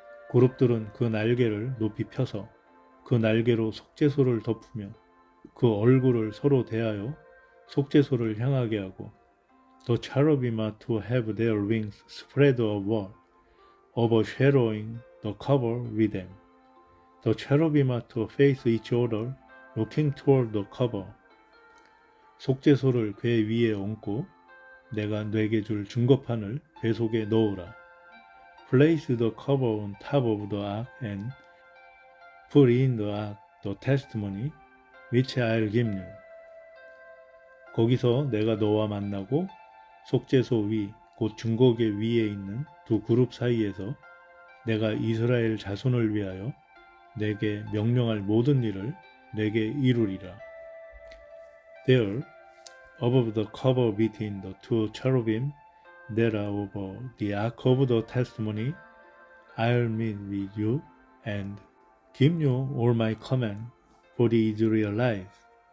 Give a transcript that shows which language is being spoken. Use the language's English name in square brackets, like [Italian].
[Korean] 그룹들은 그 날개를 높이 펴서 그 날개로 속죄소를 덮으며 그 얼굴을 서로 대하여 속죄소를 향하게 하고 [English] The cherubim are to have their wings spread upward, overshadowing the cover with them. The cherubim are to face each other, looking toward the cover. [Korean] 속죄소를 궤 위에 얹고, 내가 네게 줄 증거판을 궤 속에 넣으라. [English] Place the cover on top of the ark and put in the ark The testimony, which I'll give you. [Korean] 거기서 내가 너와 만나고 속죄소 위, 곧 중고개 위에 있는 두 그룹 사이에서 내가 이스라엘 자손을 위하여 내게 명령할 모든 일을 내게 이루리라. [English] There, above the cover between the two cherubim, there are over the ark of the testimony, I'll meet with you and give you all my command for the Israelites.